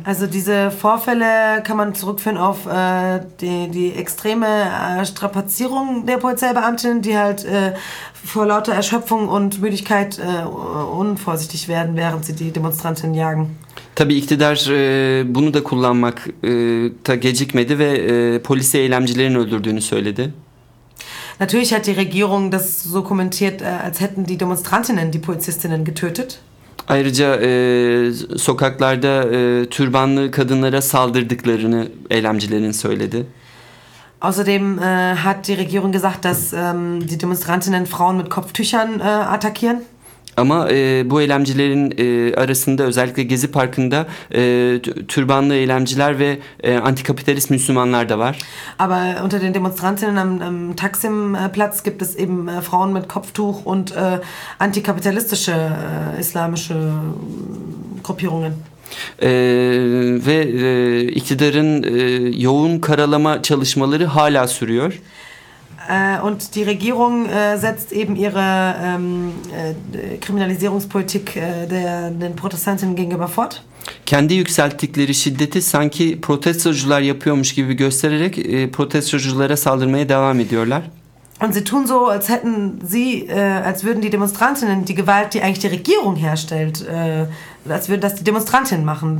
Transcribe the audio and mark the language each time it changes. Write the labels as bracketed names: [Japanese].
[German] Also diese Vorfälle kann man zurückführen auf die extreme Strapazierung der Polizeibeamtin, die halt vor lauter Erschöpfung und Müdigkeit unvorsichtig werden, während sie die Demonstranten jagen. [Turkish] Tabii iktidar bunu da kullanmakta gecikmedi ve polisi eylemcilerin öldürdüğünü söyledi. [German] Natürlich hat die Regierung das so kommentiert, als hätten die Demonstrantinnen die Polizistinnen getötet. [Turkish] Ayrıca sokaklarda türbanlı kadınlara saldırdıklarını eylemcilerin söyledi. [German] Außerdem hat die Regierung gesagt, dass die Demonstrantinnen Frauen mit Kopftüchern attackieren. [Turkish] Ama bu eylemcilerin arasında özellikle Gezi Parkı'nda türbanlı eylemciler ve antikapitalist Müslümanlar da var. [German] Aber unter den Demonstrantinnen am Taksimplatz gibt es eben Frauen mit Kopftuch und antikapitalistische islamische Gruppierungen. [Turkish] Ve iktidarın yoğun karalama çalışmaları hala sürüyor. [German] Und die Regierung setzt eben ihre Kriminalisierungspolitik den Protestantinnen gegenüber fort. [Turkish] Kendi yükselttikleri şiddeti sanki protestocular yapıyormuş gibi göstererek protestoculara saldırmaya devam ediyorlar. [German] Und sie tun so, als hätten sie, als würden die Demonstrantinnen die Gewalt, die eigentlich die Regierung herstellt, als würden das die Demonstrantinnen machen.